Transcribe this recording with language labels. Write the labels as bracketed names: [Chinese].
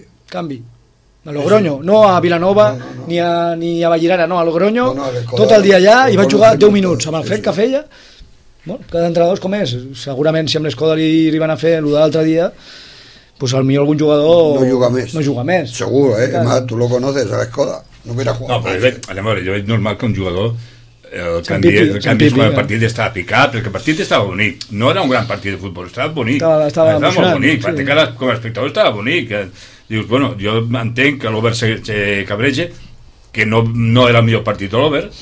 [Catalan] Canvi. A Logroño, no a Vilanova ni a Vallirana, no, a Logroño no, tot el dia allà i vaig jugar 10 minuts amb el fred que feia. Bueno, cada entrenador és com és, segurament si amb l'Escoda li arriben a fer el d'altre dia, doncs pues, potser algun jugador no juga més. Segur, eh? [Spanish] Además, tu lo conoces a l'Escoda, no hubiera jugado. [Catalan] No, però jo veig normal que un jugador el partit estava picat, perquè el partit estava bonic, no era un gran partit de futbol, estava bonic, estava molt bonic, sí. Cara, com a espectador estava bonic, dius, bueno, jo entenc que l'Over se cabreja, que no era el millor partit de l'Over,